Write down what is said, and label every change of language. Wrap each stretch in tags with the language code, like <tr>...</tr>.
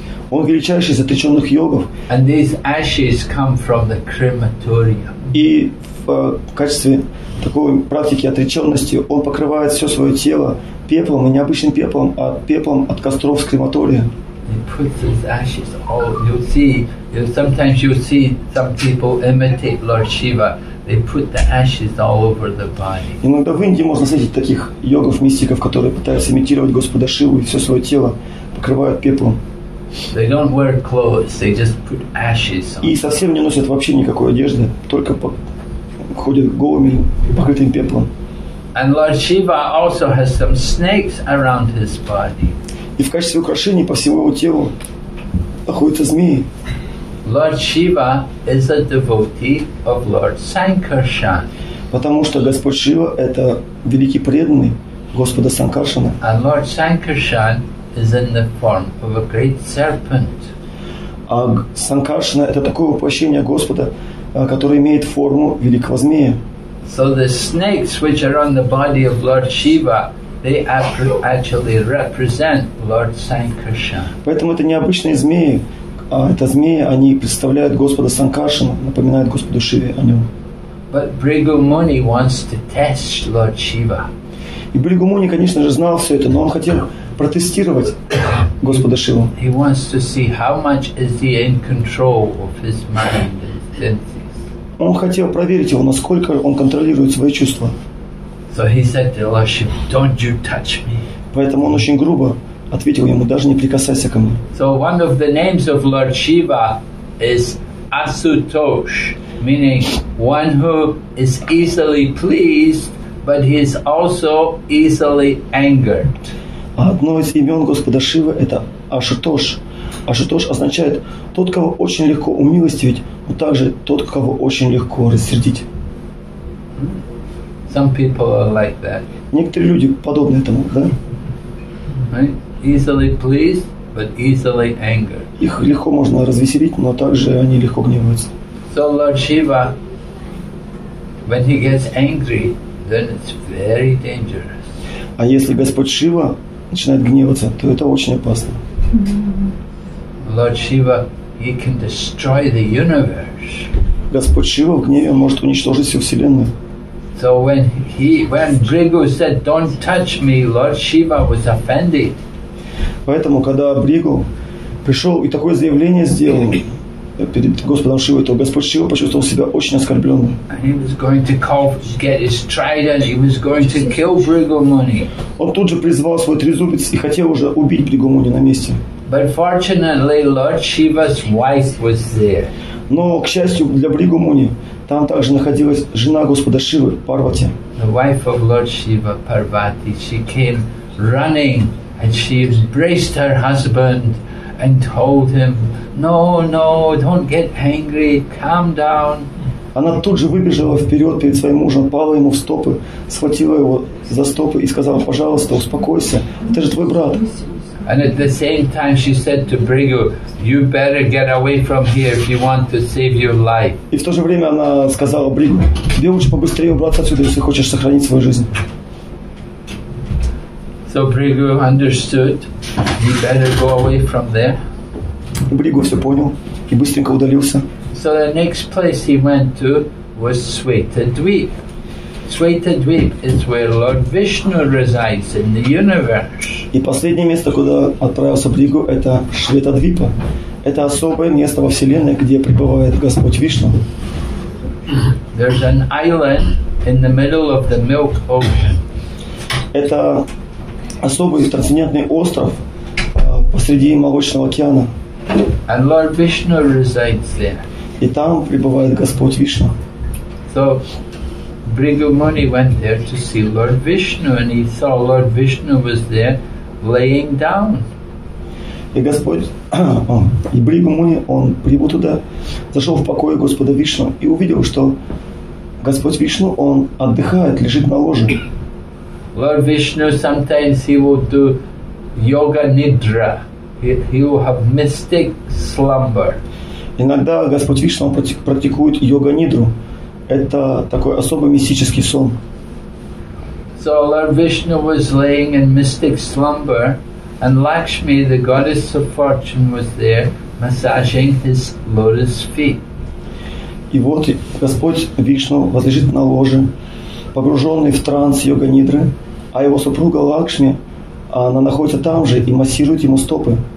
<ru>Он величайший из отреченных йогов.</ru> <en>And these ashes come from the crematorium.</en> <ru>И в качестве такой практики отреченности он покрывает все свое тело пеплом, и не обычным пеплом, а пеплом от костров с крематория.</ru> <en>He puts his ashes all. Sometimes you see some people imitate Lord Shiva. They put the ashes all over the body.</en> <ru>Иногда в Индии можно встретить таких йогов, мистиков, которые пытаются имитировать Господа Шиву и все свое тело покрывают пеплом.</ru> <en>They don't wear clothes. They just put ashes on.</en> <ru>И совсем не носят вообще никакой одежды, только ходят голыми, покрытыми пеплом.</ru> <en>And Lord Shiva also has some snakes around his body.</en> <ru>И в качестве украшений по всему его телу находятся змеи.</ru> <en>Lord Shiva is a devotee of Lord Sankarshan.</en> <ru>Потому что Господь Шива – это великий преданный Господа Санкаршана.</ru> <en>And Lord Sankarshan is in the form of a great serpent.</en> <ru>А Санкаршана – это такое воплощение Господа, которое имеет форму великого змея.</ru> <en>So the snakes which are on the body of Lord Shiva, they actually represent Lord Sankarshan.</en> <ru>Поэтому это не обычные змеи, а это змеи, они представляют Господа Санкаршана, напоминают Господу Шиве о нем.</ru> <en>But Bhrigu Muni wants to test Lord Shiva.</en> <ru>И Бригу Муни, конечно же, знал все это, но он хотел протестировать Господа Шиву.</ru> <en>He wants to see how much is he in control of his mind and senses.</en> <ru>Он хотел проверить его, насколько он контролирует свои чувства.</ru> <en>So he said to Lord Shiva, "Don't you touch me."</en> <ru>Поэтому он очень грубо ответил ему: "Даже не прикасайся ко мне."</ru> <en>So one of the names of Lord Shiva is Asutosh, meaning one who is easily pleased, but he is also easily angered.</en> <ru>Одно из имен Господа Шивы – это Ашутош. Ашутош означает тот, кого очень легко умилостивить, но также тот, кого очень легко рассердить.</ru> <en>Some people are like that.</en> <ru>Некоторые люди подобны этому, да?</ru> <en>Right? Easily pleased, but easily angered.</en> <ru>Их легко можно развеселить, но также они легко гневаются.</ru> <en>So Lord Shiva, when he gets angry, then it's very dangerous.</en> <ru>А если Господь Шива начинает гневаться, то это очень опасно.</ru> <en>Lord Shiva, he can destroy the universe.</en> <ru>Господь Шива в гневе может уничтожить всю вселенную.</ru> <en>So when Bhrigu said, "Don't touch me," Lord Shiva was offended.</en> <ru>Поэтому, когда Бригу пришел и такое заявление сделал перед Господом Шивой, то Господь Шива почувствовал себя очень оскорбленным.</ru> <en>And he was going to call, get his trident. He was going to kill Bhrigu Muni.</en> <ru>Он тут же призвал свой трезубец и хотел уже убить Бригу Муни на месте.</ru> <en>But fortunately, Lord Shiva's wife was there.</en> <ru>Но, к счастью для Бригу Муни, Там также находилась жена Господа Шивы, Парвати.</ru> <en>The wife of Lord Shiva, Parvati, she came running and she embraced her husband and told him, "No, no, don't get angry, calm down."</en> <ru>Она тут же выбежала вперед перед своим мужем, пала ему в стопы, схватила его за стопы и сказала: "Пожалуйста, успокойся, это же твой брат."</ru> <en>And at the same time, she said to Bhrigu, "You better get away from here if you want to save your life."</en> <ru>И в то же время она сказала Бригу: "Тебе лучше побыстрее убраться отсюда, если хочешь сохранить свою жизнь."</ru> <en>So Bhrigu understood. You better go away from there.</en> <ru>Бригу все понял и быстренько удалился.</ru> <en>So the next place he went to was Swetadweep. Swetadweep is where Lord Vishnu resides in the universe.</en> <ru>И последнее место, куда отправился Бригу, это Шветадвипа. Это особое место во Вселенной, где пребывает Господь Вишну.</ru> <en>There's an island in the middle of the Milk Ocean.</en> <ru>Это особый трансцендентный остров посреди Молочного океана.</ru> <en>And Lord Vishnu resides there.</en> <ru>И там пребывает Господь Вишну.</ru> <en>So, Bhrigu Muni went there to see Lord Vishnu, and he saw Lord Vishnu was there laying down.</en> <ru>И Господь, и Бригу Муни, он прибыл туда, зашел в покое Господа Вишну и увидел, что Господь Вишну, он отдыхает, лежит на ложе.</ru> <en>Lord Vishnu sometimes he will do yoga nidra. He will have mystic slumber.</en> <ru>Иногда Господь Вишну практикует йога нидру. Это такой особый мистический сон.</ru> <en>So Lord Vishnu was laying in mystic slumber, and Lakshmi, the goddess of fortune, was there massaging his lotus feet.</en> <ru>И вот Господь Вишну возлежит на ложе, погруженный в транс йога нидры, а его супруга Лакшми, она находится там же и массирует ему стопы.</ru>